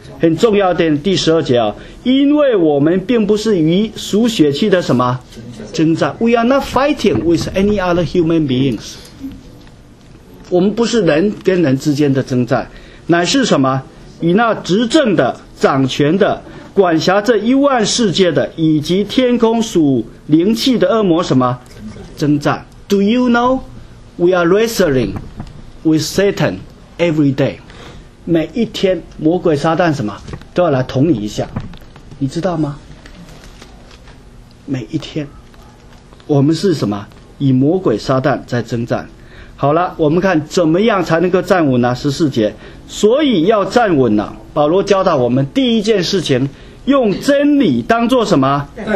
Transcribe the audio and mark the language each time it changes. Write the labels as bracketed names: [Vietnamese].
[Chinese] 很重要的第十二节啊，因为我们并不是与属血气的什么征战， [English] We are not fighting with any other human beings， [Chinese] 我们不是人跟人之间的征战，乃是什么与那执政的、掌权的、管辖这一万世界的以及天空属灵气的恶魔什么征战。 [English] Do you know we are wrestling with Satan every day？ [Chinese] 每一天魔鬼撒旦什么都要来捅你一下，你知道吗？每一天我们是什么与魔鬼撒旦在征战。好了，我们看怎么样才能够站稳呢？十四节，所以要站稳呢，保罗教导我们第一件事情，用真理当作什么